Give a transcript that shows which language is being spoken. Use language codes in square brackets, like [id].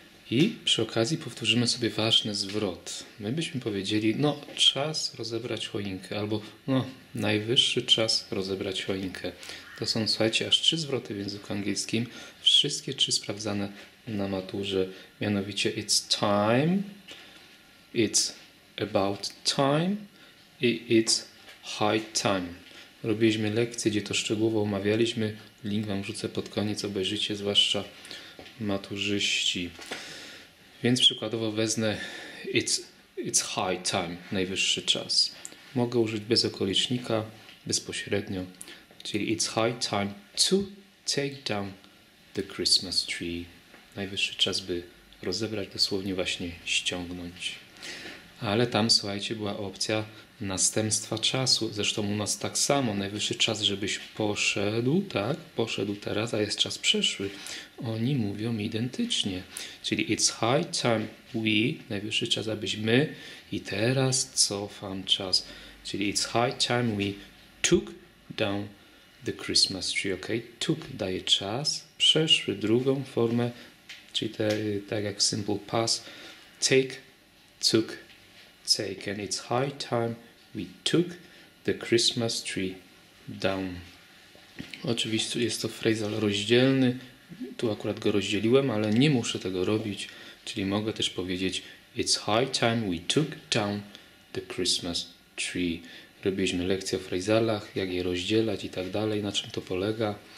[pl] I przy okazji powtórzymy sobie ważny zwrot. My byśmy powiedzieli, no czas rozebrać choinkę, albo no najwyższy czas rozebrać choinkę. To są, słuchajcie, aż trzy zwroty w języku angielskim. Wszystkie trzy sprawdzane na maturze. Mianowicie [en] it's time, it's about time i it's high time. [pl] Robiliśmy lekcje, gdzie to szczegółowo omawialiśmy. Link wam wrzucę pod koniec, obejrzyjcie, zwłaszcza maturzyści. Więc przykładowo wezmę [en] it's high time, [pl] najwyższy czas. Mogę użyć bez okolicznika, bezpośrednio. Czyli [en] it's high time to take down the Christmas tree. [pl] Najwyższy czas, by rozebrać, dosłownie właśnie ściągnąć. Ale tam, słuchajcie, była opcja następstwa czasu. Zresztą u nas tak samo. Najwyższy czas, żebyś poszedł, tak? Poszedł teraz, a jest czas przeszły. Oni mówią identycznie. Czyli [en] it's high time we, [pl] najwyższy czas, abyś my. I teraz cofam czas. Czyli [en] it's high time we took down the Christmas tree, ok? [pl] Took daje czas, przeszły drugą formę, czyli tak jak simple past. [en] Take, took, taken. It's high time we took the Christmas tree down. [pl] Oczywiście jest to phrasal rozdzielny. Tu akurat go rozdzieliłem, ale nie muszę tego robić. Czyli mogę też powiedzieć [en] it's high time we took down the Christmas tree. [pl] Robiliśmy lekcję o phrasalach, jak je rozdzielać i tak dalej. Na czym to polega?